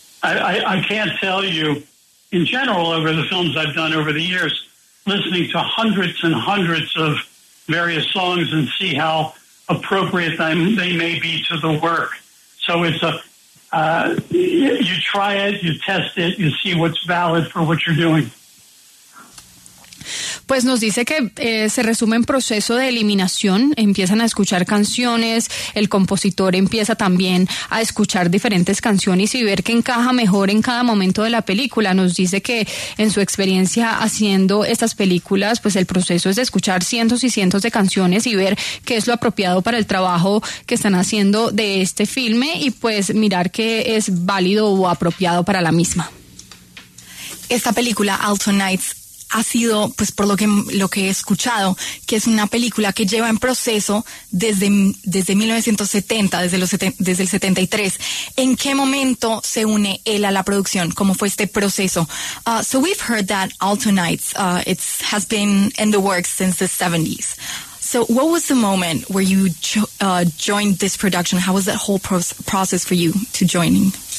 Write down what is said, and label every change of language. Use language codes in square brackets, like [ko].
[en] I can't tell you, in general, over the films I've done over the years, listening to hundreds and hundreds of various songs and see how appropriate they may be to the work. So it's a you try it, you test it, you see what's valid for what you're doing. [es] Pues nos dice que se resume en proceso de eliminación. Empiezan a escuchar canciones, el compositor empieza también a escuchar diferentes canciones y ver qué encaja mejor en cada momento de la película. Nos dice que en su experiencia haciendo estas películas, pues el proceso es de escuchar cientos y cientos de canciones y ver qué es lo apropiado para el trabajo que están haciendo de este filme y pues mirar qué es válido o apropiado para la misma. Esta película, Alto Nights, ha sido, pues por lo que he escuchado, que es una película que lleva en proceso desde 1970, desde el 73. ¿En qué momento se une él a la producción? ¿Cómo fue este proceso? [en] So we've heard that Alto Nights has been in the works since the 70s. So what was the moment where you joined this production? How was that whole process for you to joining?